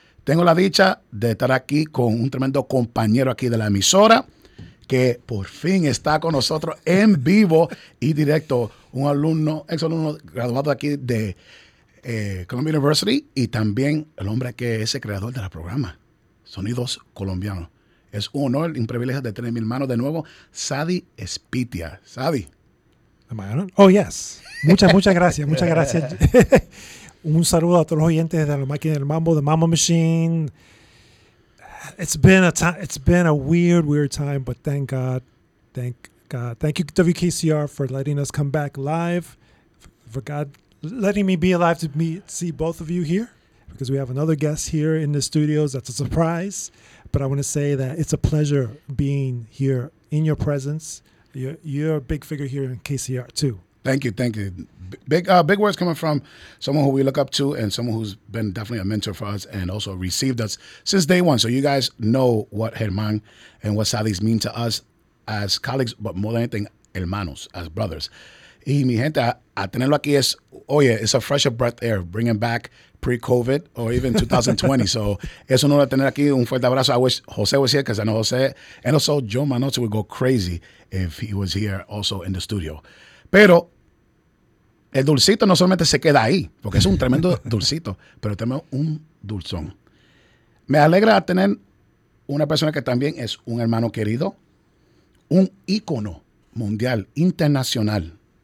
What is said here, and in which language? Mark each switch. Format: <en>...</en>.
<es>Tengo la dicha de estar aquí con un tremendo compañero aquí de la emisora, que por fin está con nosotros en vivo y directo, un alumno, ex alumno graduado aquí de Columbia University, y también el hombre que es el creador del programa, Sonidos Colombianos. Es un honor y un privilegio de tener en mis manos de nuevo, Sadi Espitia. Sadi.</es> <en>Oh, yes.</en> <es>Muchas gracias, muchas gracias. Un saludo a todos los oyentes de la máquina del Mambo, de Mambo Machine.</es> <en>It's been a weird time, but thank God. Thank you, WKCR, for letting us come back live. For God letting me be alive to see both of you here, because we have another guest here in the studios. That's a surprise. But I want to say that it's a pleasure being here in your presence. You're a big figure here in KCR, too. Thank you. Big words coming from someone who we look up to and someone who's been definitely a mentor for us and also received us since day one. So you guys know what Herman and what Sadis mean to us as colleagues, but more than anything, hermanos, as brothers.</en> <es>Y mi gente, a tenerlo aquí es, oye,</es> <en>it's a fresh breath air, bringing back pre-COVID or even 2020.</en> <es>So es un honor tener aquí. Un fuerte abrazo.</es> <en>I wish Jose was here because I know Jose. And also Joe Manotto would go crazy if he was here also in the studio.</en> <es>Pero el dulcito no solamente se queda ahí, porque es un tremendo dulcito, pero tenemos un dulzón. Me alegra tener una persona que también es un hermano querido, un ícono mundial, internacional.</es>